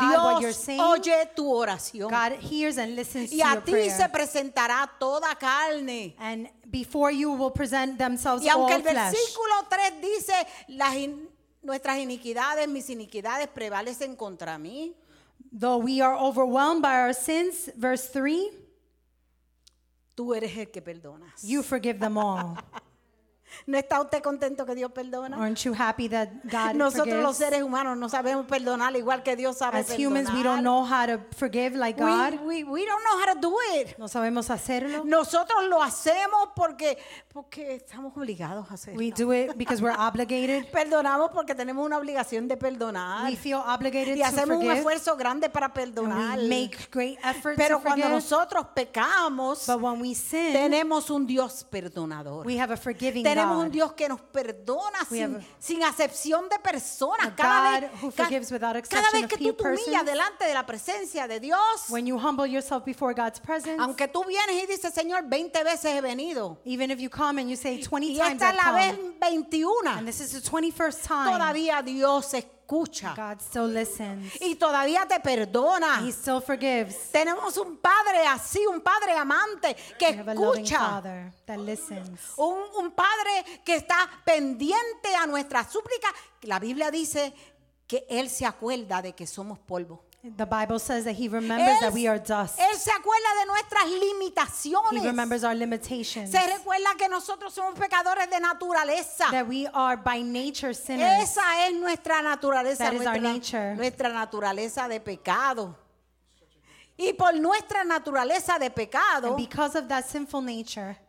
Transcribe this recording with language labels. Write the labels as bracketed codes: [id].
[es] Dios [en] what you're saying. [es] Dios oye tu oración. [en] God hears and listens [es] y [en] to your prayer. [es] Y a ti se presentará toda carne. [en] And before you will present themselves all flesh. [es] Y aunque el versículo 3 dice las nuestras iniquidades, mis iniquidades prevalecen contra mí. [en] Though we are overwhelmed by our sins, verse 3. [es] Tú eres el que perdonas. [en] You forgive them all. [es] ¿No está usted contento que Dios perdona? [en] Aren't you happy that God [es] Nosotros [en] forgives? [es] Nosotros los seres humanos no sabemos perdonar igual que Dios sabe [en] As [es] perdonar. [en] As humans, we don't know how to forgive like God. We don't know how to do it. [es] No sabemos hacerlo. Nosotros lo hacemos porque estamos obligados a hacerlo. [en] We do it because we're obligated. [es] Perdonamos porque tenemos una obligación de perdonar. [en] We feel obligated to forgive. [es] Y hacemos un esfuerzo grande para perdonar. [en] We make great efforts [es] Pero [en] to forgive. [es] Pero cuando nosotros pecamos, [en] But when we sin, [es] tenemos un Dios perdonador. [en] We have a forgiving [es] Tenemos un Dios que nos perdona sin acepción de personas. Cada vez que tú te humillas delante de la presencia de Dios, [en] when you humble yourself before God's presence, [es] aunque tú vienes y dices, Señor, 20 veces he venido, [en] even if you come and you say 20 times [es] y esta es la vez 21, [en] and this is the 21st time, [es] todavía Dios escucha. [en] God still listens. [es] Y todavía te perdona. [en] He still forgives. [es] Tenemos un padre así, un padre amante que escucha. [en] That listens. [es] Un padre que está pendiente a nuestra súplica. La Biblia dice que él se acuerda de que somos polvo. [en] The Bible says that he remembers that we are dust. [es] Él se acuerda de nuestras limitaciones. [en] He remembers our limitations. [es] Se recuerda que nosotros somos pecadores de naturaleza. [en] That we are by nature sinners. [es] Esa es nuestra naturaleza. [en] That is our nature. [es] Nuestra naturaleza de pecado. Y por nuestra naturaleza de pecado, [en] and because of that sinful nature,